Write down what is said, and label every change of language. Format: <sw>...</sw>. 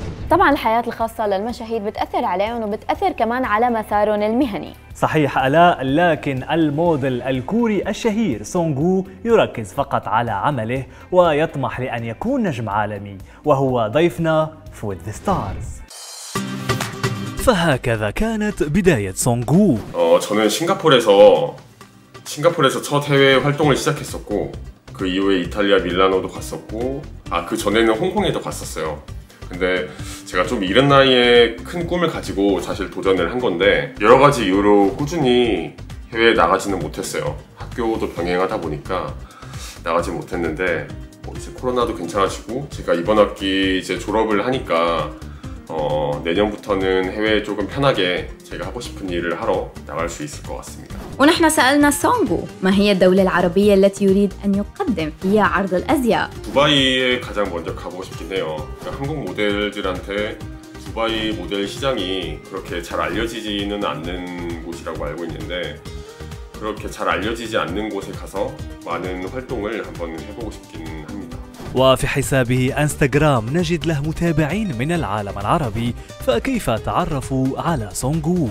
<ar>طبعا الحياة الخاصة للمشاهير بتأثر عليهم وبتأثر كمان على مسارهم المهني. صحيح ألاء، لكن الموديل الكوري الشهير سونغو يركز فقط على عمله ويطمح لأن يكون نجم عالمي، وهو ضيفنا في ذا ستارز. فهكذا كانت بداية سونغو.</ar> <ko>저는 싱가포르에서 첫 해외 활동을 시작했었고 그 이후에 이탈리아 밀라노도 갔었고 아 그 전에는 홍콩에도 갔었어요. 근데 제가 좀 이른 나이에 큰 꿈을 가지고 사실 도전을 한 건데 여러 가지 이유로 꾸준히 해외에 나가지는 못했어요. 학교도 병행하다 보니까 나가지 못했는데 뭐 이제 코로나도 괜찮아지고 제가 이번 학기 이제 졸업을 하니까 내년부터는 해외에 조금 편하게 제가 하고 싶은 일을 하러 나갈 수 있을 것 같습니다.</ko> <ar>ونحن سألنا سونغو ما هي الدولة العربية التي يريد أن يقدم فيها عرض الأزياء.</ar> <ko>두바이에 가장 먼저 가보고 싶긴 해요. 한국 모델들한테 두바이 모델 시장이 그렇게 잘 알려지지는 않는 곳이라고 알고 있는데 그렇게 잘 알려지지 않는 곳에 가서 많은 활동을 한번 해보고 싶긴 합니다.</ko> <ar>وفي حسابه انستغرام نجد له متابعين من العالم العربي، فكيف تعرفوا على سونغو؟</ar>